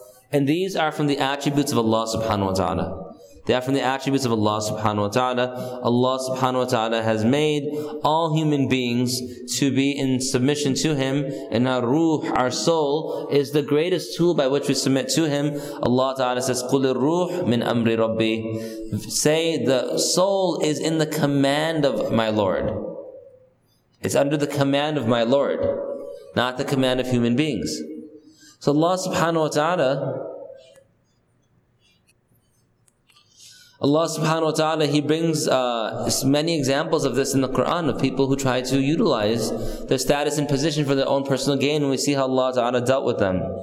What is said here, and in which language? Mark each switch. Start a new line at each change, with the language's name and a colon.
English: And these are from the attributes of Allah subhanahu wa ta'ala. They are from the attributes of Allah subhanahu wa ta'ala. Allah subhanahu wa ta'ala has made all human beings to be in submission to Him. And our ruh, our soul, is the greatest tool by which we submit to Him. Allah ta'ala says,
Arabic: قُلْ الرُّوح مِنْ أَمْرِ رَبِّي.
English: Say, the soul is in the command of my Lord. It's under the command of my Lord, not the command of human beings. So Allah subhanahu wa ta'ala, Allah subhanahu wa ta'ala, He brings many examples of this in the Quran, of people who try to utilize their status and position for their own personal gain, and we see how Allah ta'ala dealt with them.